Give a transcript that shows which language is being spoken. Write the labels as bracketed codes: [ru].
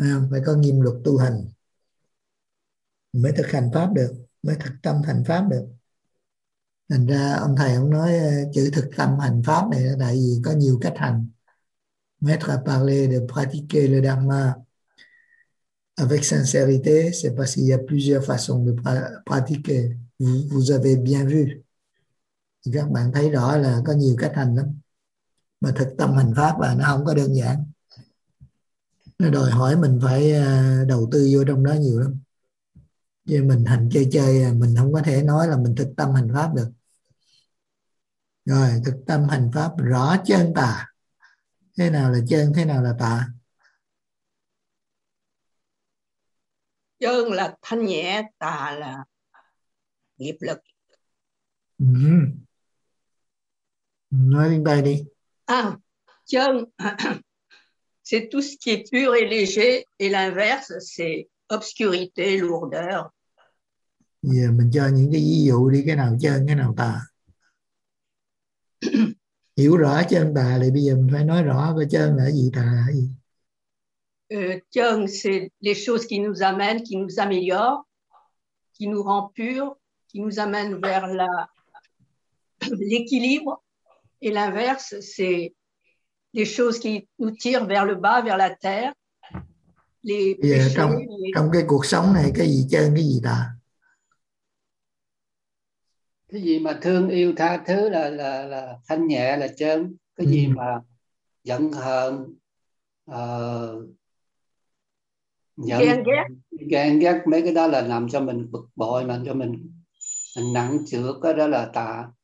[vi] Phải có nghiêm luật tu hành, mới thực hành pháp được, mới thực tâm thành pháp được. Thành ra ông thầy ông nói chữ thực tâm hành pháp này là tại vì có nhiều cách hành. [fr] Maître a parlé de pratiquer le dharma avec sincérité, c'est parce qu'il y a plusieurs façons de pratiquer. Vous avez bien vu. [vi] Các bạn thấy rõ là có nhiều cách hành lắm. Mà thực tâm hành pháp là nó không có đơn giản. nó đòi hỏi mình phải đầu tư vô trong đó nhiều lắm. Chứ mình hành chơi chơi, mình không có thể nói là mình thực tâm hành pháp được. Rồi, thực tâm hành pháp rõ chân tà. Thế nào là chân, thế nào là tà? Chân là thanh nhẹ, tà là nghiệp lực. Nói lên đây đi. [fr] À, chân, c'est tout ce qui est pur et léger, et l'inverse, c'est obscurité, lourdeur. [vi] Giờ mình cho những cái ví dụ đi, cái nào chân, cái nào tà. Hiểu rõ chân tà thì bây giờ mình phải nói rõ cái chân là gì, tà là gì. [fr] Chân, c'est les choses qui nous amènent, qui nous améliorent, qui nous rend pur, qui nous amènent vers la... l'équilibre. Et l'inverse, c'est les choses qui nous tirent vers le bas, vers la terre. Les péchés, [vi] trong, [fr] les... [vi] trong cái cuộc sống này, cái gì chân, cái gì tà? Cái gì mà thương yêu tha thứ là thanh nhẹ là chân, cái gì mà giận hờn ghen ghét mấy cái đó là làm cho mình bực bội, làm cho mình nặng trược, cái đó là tà.